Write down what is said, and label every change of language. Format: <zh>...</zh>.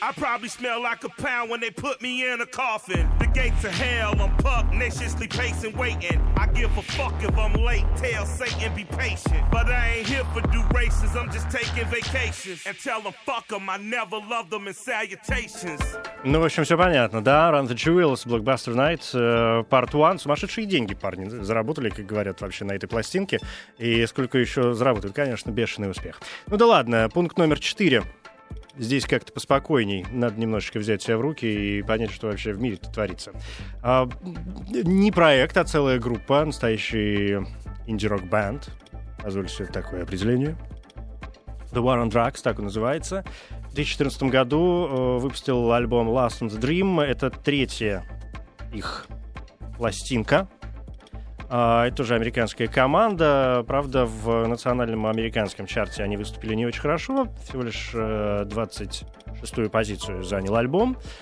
<en>I probably smell like a pound when they put me in a coffin. The gates of hell, I'm pugnaciously pacing, waiting. I give a fuck if I'm late, tell Satan be patient. But I ain't here for durations, I'm just taking vacations. And tell them fuck them, I never loved them in salutations.</en> <ru>Ну, в общем, все понятно, да?</ru> <en>Run the Jewels, Blockbuster Night, Part 1.</en> <ru>Сумасшедшие деньги парни заработали, как говорят вообще на этой пластинке. И сколько еще заработают, конечно, бешеный успех. Ну да ладно, пункт номер 4. Здесь как-то поспокойней. Надо немножечко взять себя в руки и понять, что вообще в мире творится. Не проект, а целая группа, настоящий инди-рок-бэнд. Позвольте себе такое определение. The War on Drugs, так и называется. В 2014 году выпустил альбом Last in the Dream. Это третья их пластинка. Это уже американская команда. Правда, в национальном американском чарте они выступили не очень хорошо. Всего лишь 26-ю позицию занял альбом.</ru>